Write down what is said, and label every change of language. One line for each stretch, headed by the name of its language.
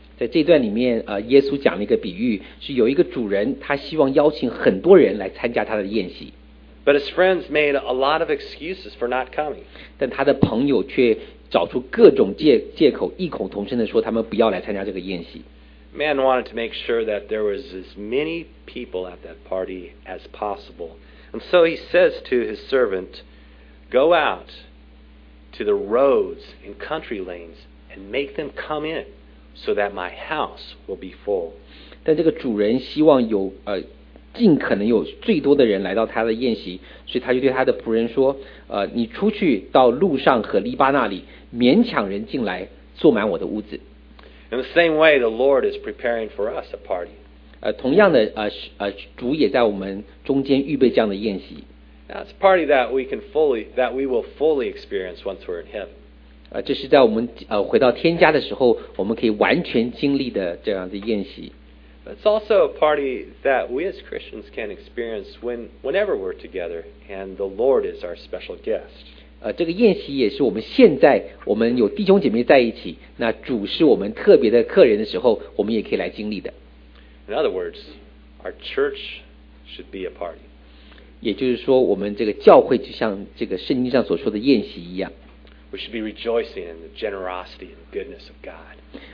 Chinese: 在这段里面耶稣讲了一个比喻是有一个主人他希望邀请很多人来参加他的宴席。
English: But his friends made a lot of excuses for not coming.
Chinese: 但他的朋友却找出各种借口，异口同声地说他们不要来参加这个宴席。
English: Man wanted to make sure that there was as many people at that party as possible. And so he says to his servant, go out to the roads and country lanes and make them come in so that my house will be full.
Chinese: 但这个主人希望有尽可能有最多的人来到他的宴席，所以他就对他的仆人说：“你出去到路上和篱笆那里，勉强人进来，坐满我的屋子。”
English: In the same way, the Lord is preparing for us a party.
Chinese: 同样的，主也在我们中间预备这样的宴席。
English: That's a party that we will fully experience once we're in heaven.
Chinese: 这是在我们回到天家的时候，我们可以完全经历的这样的宴席。
English: It's also a party that we as Christians can experience whenever we're together, and the Lord is our special guest.
Chinese: 这个宴席也是我们现在我们有弟兄姐妹在一起，那主是我们特别的客人的时候，我们也可以来经历的。
English: In other words, our church should be a party.
Chinese: 也就是说，我们这个教会就像这个圣经上所说的宴席一样。
English: We should be rejoicing in the generosity and goodness of God.